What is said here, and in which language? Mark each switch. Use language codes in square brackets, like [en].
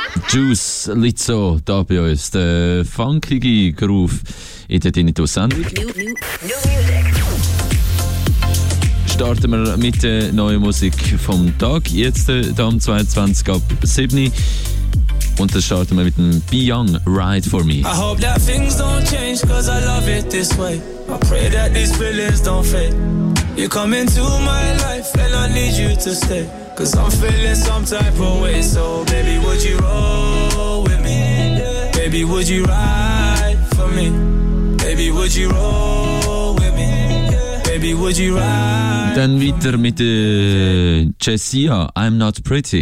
[de] Juice, Lizzo, da bei uns, der funkige Groove in der Tinnitus-Sendung. Starten wir mit der neuen Musik vom Tag, jetzt da um 22 ab 7. Und dann starten wir mit dem Be Young, Ride For Me. [en] I hope that things don't change, cause I love it this way. I pray that these feelings don't fade. You come into my life and I need you to stay. Cause I'm feeling some type of way. So baby, would you roll with me? Baby, would you ride for me? Baby, would you roll with me? Baby, would you ride? [de] Dann weiter mit Jessia, I'm Not Pretty.